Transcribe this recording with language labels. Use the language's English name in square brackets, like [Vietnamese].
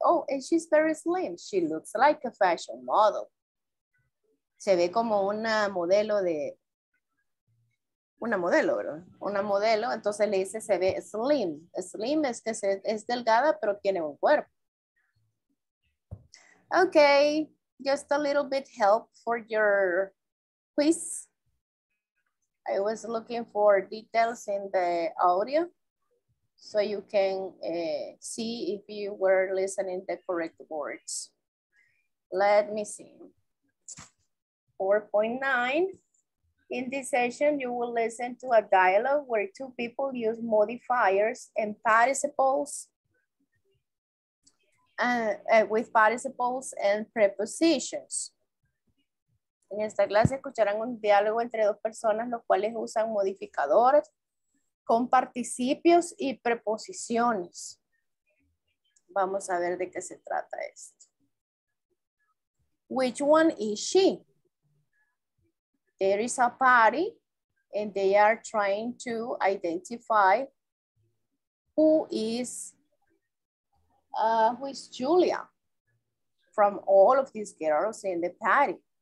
[English] Oh, and she's very slim. She looks like a fashion model. [Spanish] Se ve como una modelo de... Una modelo, ¿verdad? Una modelo, entonces le dice, se ve slim. Slim es que es delgada, pero tiene un cuerpo. [English] Okay, just a little bit help for your quiz. I was looking for details in the audio so you can see if you were listening the correct words. Let me see. 4.9. In this session, you will listen to a dialogue where two people use modifiers and participles with participles and prepositions. [Spanish] En esta clase escucharán un diálogo entre dos personas los cuales usan modificadores con participios y preposiciones. Vamos a ver de qué se trata esto. [English] Which one is she? There is a party and they are trying to identify who is, who is Julia from all of these girls in the party.